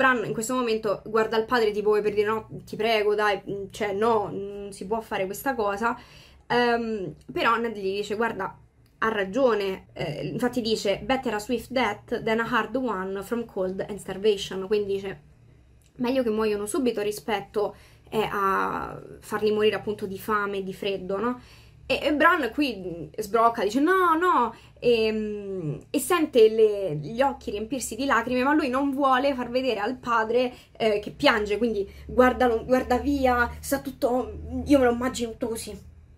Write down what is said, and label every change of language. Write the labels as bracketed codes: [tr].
[it] Bran in questo momento guarda il padre tipo per dire: no, ti prego, dai, cioè no, non si può fare questa cosa. Però Ned gli dice: guarda, ha ragione. Infatti dice: [en] better a swift death than a hard one from cold and starvation. [it] Quindi dice: meglio che muoiono subito rispetto a farli morire appunto di fame e di freddo, no? E Bran qui sbrocca, dice: no, no, e sente gli occhi riempirsi di lacrime, ma lui non vuole far vedere al padre che piange, quindi guarda via, sta tutto, io me lo immagino così.